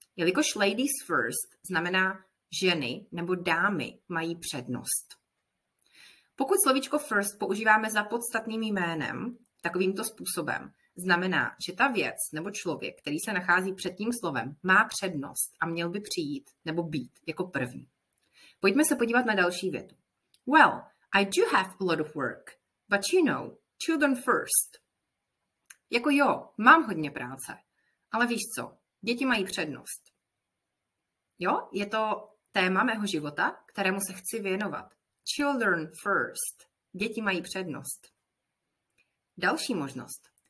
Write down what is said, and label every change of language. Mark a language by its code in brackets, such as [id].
[cs] Jelikož [en] ladies first [cs] znamená ženy nebo dámy mají přednost. Pokud slovíčko first používáme za podstatným jménem, takovýmto způsobem, znamená, že ta věc nebo člověk, který se nachází před tím slovem, má přednost a měl by přijít nebo být jako první. Pojďme se podívat na další větu. [en] Well, I do have a lot of work, but you know, children first. [cs] Jako jo, mám hodně práce, ale víš co, děti mají přednost. Jo, je to téma mého života, kterému se chci věnovat. [en] Children first. [cs] Děti mají přednost. Další možnost.